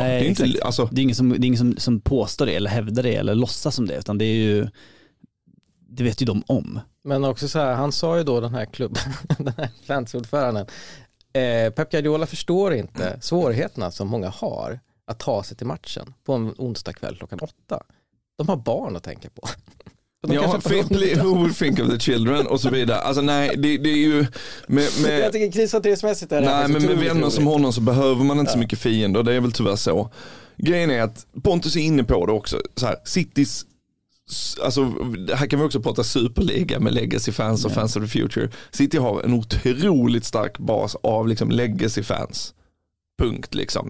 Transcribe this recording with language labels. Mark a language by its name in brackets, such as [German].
[Swedish] Nej, det är inte, alltså, det är ingen som, det är ingen som påstår det eller hävdar det eller låtsas som det, utan det är ju, det vet ju de om. Men också så här, han sa ju då, den här klubben, den här fansordföranden, Pep Guardiola förstår inte svårigheterna som många har att ta sig till matchen på en onsdag kväll klockan 8. De har barn att tänka på. Ja, Fimply, [English] who would think of the children [Swedish] och så vidare. Alltså nej, det är ju med jag tycker krishanteringsmässigt är det. Nej, men med vänner som honom så behöver man inte så mycket fiender, och det är väl tyvärr så. Grejen är att Pontus är inne på det också, så här, Citys, alltså här kan vi också prata superliga med [English] legacy fans och fans of the future. [Swedish] City har en otroligt stark bas av liksom legacy fans. Punkt liksom.